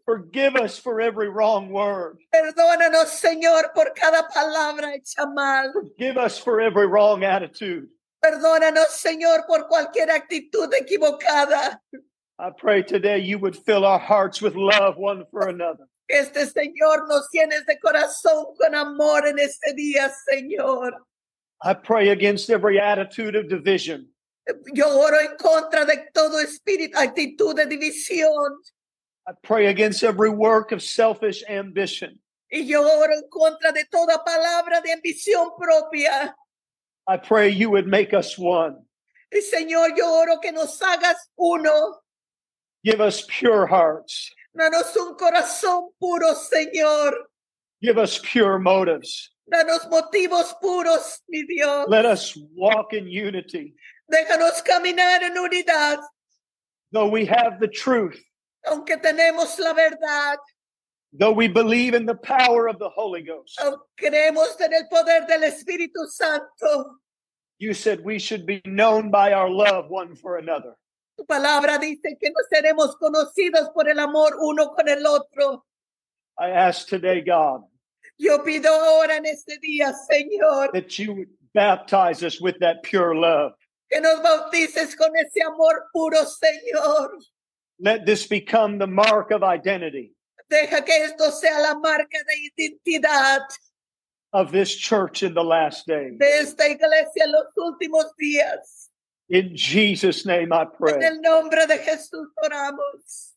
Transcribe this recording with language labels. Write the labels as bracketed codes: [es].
[en] Forgive us for every wrong word. [es] Perdónanos, Señor, por cada palabra hecha mal. [en] Forgive us for every wrong attitude. [es] Perdónanos, Señor, por cualquier actitud equivocada. [en] I pray today you would fill our hearts with love one for another. [es] Este Señor nos llenes de corazón con amor en este día, Señor. [en] I pray against every attitude of division. [es] Yo oro en contra de todo espíritu, actitud de división. [en] I pray against every work of selfish ambition. [es] Y yo oro en contra de toda palabra de ambición propia. [en] I pray you would make us one. [es] Y Señor, yo oro que nos hagas uno. [en] Give us pure hearts. [es] Danos un corazón puro, Señor. [en] Give us pure motives. [es] Danos motivos puros, mi Dios. [en] Let us walk in unity. [es] Déjanos caminar en unidad. [en] Though we have the truth. [es] Aunque tenemos la verdad. [en] Though we believe in the power of the Holy Ghost. [es] Creemos en el poder del Espíritu Santo. [en] You said we should be known by our love one for another. [es] Tu palabra dice que no seremos conocidos por el amor uno con el otro. [en] I ask today, God. [es] Yo pido ahora en este día, Señor. [en] That you would baptize us with that pure love. [es] Que nos bautices con ese amor puro, Señor. [en] Let this become the mark of identity. [es] Deja que esto sea la marca de identidad. [en] Of this church in the last days. [es] De esta iglesia en los últimos días. [en] In Jesus' name I pray. [es] En el nombre de Jesús oramos.